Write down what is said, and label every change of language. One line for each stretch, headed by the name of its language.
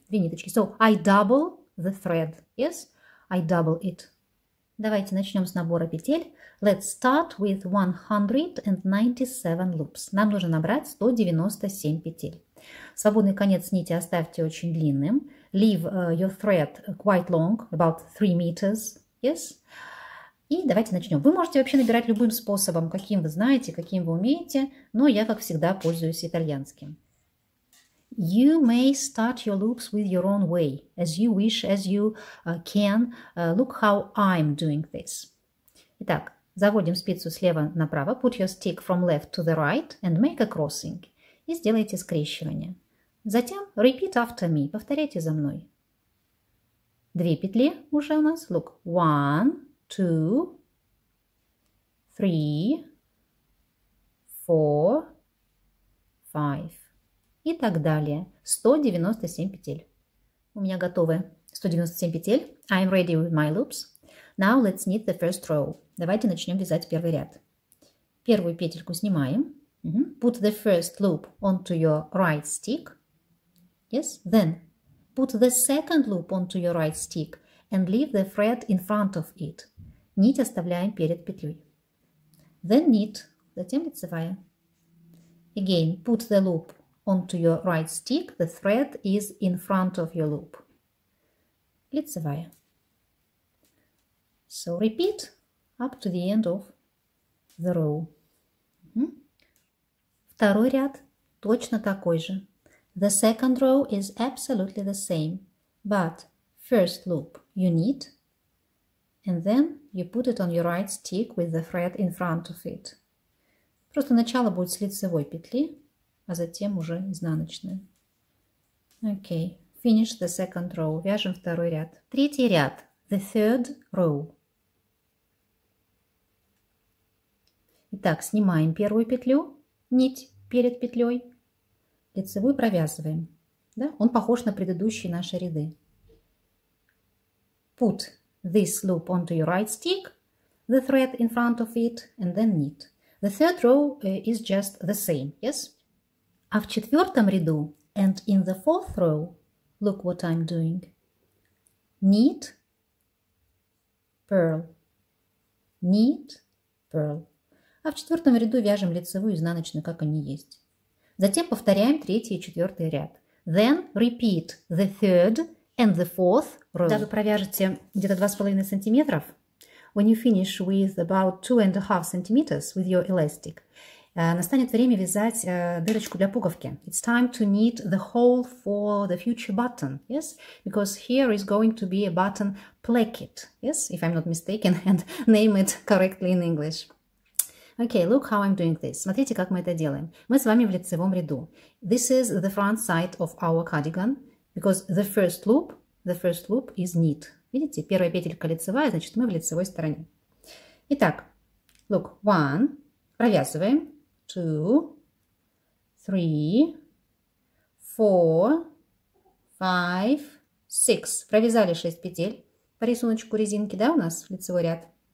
Russian: Две ниточки.
English: So, I double the thread, yes? I double it.
Russian: Давайте начнем с набора петель.
English: Let's start with 197 loops.
Russian: Нам нужно набрать 197 петель. Свободный конец нити оставьте очень длинным.
English: Leave your thread quite long, about 3 meters, yes?
Russian: И давайте начнем. Вы можете вообще набирать любым способом, каким вы знаете, каким вы умеете, но я, как всегда, пользуюсь итальянским.
English: You may start your loops with your own way, as you wish, as you can. Look how I'm doing this.
Russian: Итак, Заводим спицу слева направо.
English: Put your stick from left to the right and make a crossing.
Russian: И сделайте скрещивание. Затем
English: repeat after me.
Russian: Повторяйте за мной. Две петли уже у нас.
English: Look. One, two, three, four, five.
Russian: И так далее. 197 петель. У меня готовы 197 петель.
English: I'm ready with my loops. Now let's knit the first row.
Russian: Давайте начнем вязать первый ряд. Первую петельку снимаем.
English: Put the first loop onto your right stick. Yes, then put the second loop onto your right stick and leave the thread in front of it.
Russian: Нить оставляем перед петлей.
English: Then knit,
Russian: затем лицевая.
English: Again, put the loop onto your right stick. The thread is in front of your loop.
Russian: Лицевая.
English: So repeat up to the end of the row.
Russian: Второй ряд точно такой же.
English: The second row is absolutely the same, but first loop you knit, and then you put it on your right stick with the thread in front of it.
Russian: Просто начало будет с лицевой петли, а затем уже изнаночная.
English: Okay, finish the second row.
Russian: Вяжем второй ряд. Третий ряд.
English: The third row.
Russian: Итак, снимаем первую петлю, нить перед петлей, лицевую провязываем. Да? Он похож на предыдущие наши ряды.
English: Put this loop onto your right stick, the thread in front of it, and then knit. The third row is just the same, yes?
Russian: А в четвертом ряду,
English: and in the fourth row, look what I'm doing. Knit, purl, knit, purl.
Russian: А в четвертом ряду вяжем лицевую и изнаночную, как они есть. Затем повторяем третий и четвертый ряд.
English: Then repeat the third and the fourth row.
Russian: Когда вы провяжете где-то 2,5 сантиметра,
English: when you finish with about 2.5 centimeters with your elastic,
Russian: настанет время вязать дырочку для пуговки.
English: It's time to knit the hole for the future button, yes? Because here is going to be a button placket, yes? If I'm not mistaken, and name it correctly in English. Okay, look how I'm doing this.
Russian: Смотрите, как мы это делаем. Мы с вами в лицевом ряду.
English: This is the front side of our cardigan, because the first loop is knit.
Russian: Видите, первая петелька лицевая, значит, мы в лицевой стороне. Итак,
English: look, one,
Russian: провязываем,
English: two, three, four, five, six.
Russian: Провязали 6 петель по рисунку резинки, да, у нас лицевой ряд.